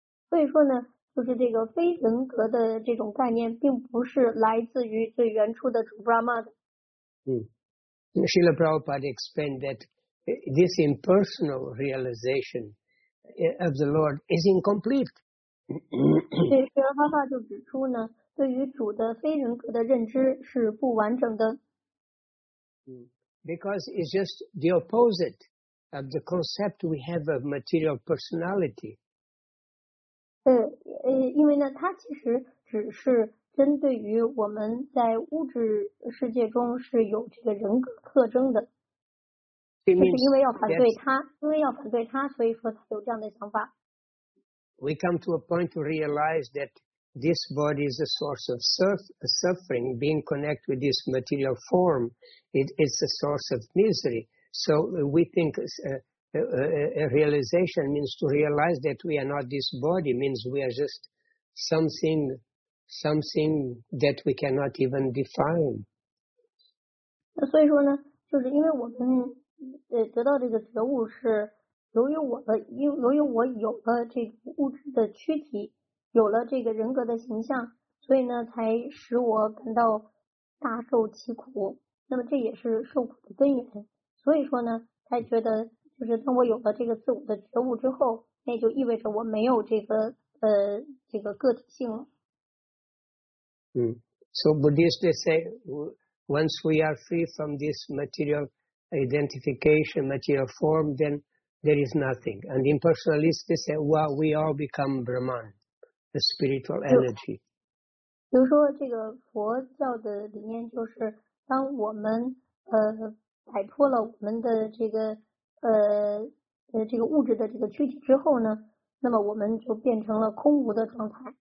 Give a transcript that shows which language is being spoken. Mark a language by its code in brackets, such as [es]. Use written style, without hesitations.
[zh] 所以说呢，就是这个非人格的这种概念并不是来自于最原初的主 Brahma 的。 [en] Srila Prabhupada explained that this impersonal realization of the Lord is incomplete. [zh] 对，释迦牟尼就指出呢，对于主的非人格的认知是不完整的。 [en] Because it's just the opposite of the concept we have of material personality. [zh] 因为呢，它其实只是针对于我们在物质世界中是有这个人格特征的，就是因为要反对它，所以说他有这样的想法。 [en] We come to a point to realize that this body is a source of suffering. Being connected with this material form, it's a source of misery. So we think. A realization means to realize that we are not this body, means we are just something that we cannot even define. [zh] 那所以说呢，就是因为我们得到这个觉悟是由于我有了这个物质的躯体，有了这个人格的形象，所以呢才使我感到大受其苦。那么这也是受苦的根源，所以说呢才觉得。就是当我有了这个自我的觉悟之后，那就意味着我没有这个个体性了。 [en] So Buddhists they say, once we are free from this material identification, material form, then there is nothing. And impersonalists they say, well, we all become Brahman, the spiritual energy. [zh] 比如说这个佛教的理念就是，当我们摆脱了我们的这个。这个物质的这个躯体之后呢，那么我们就变成了空无的状态。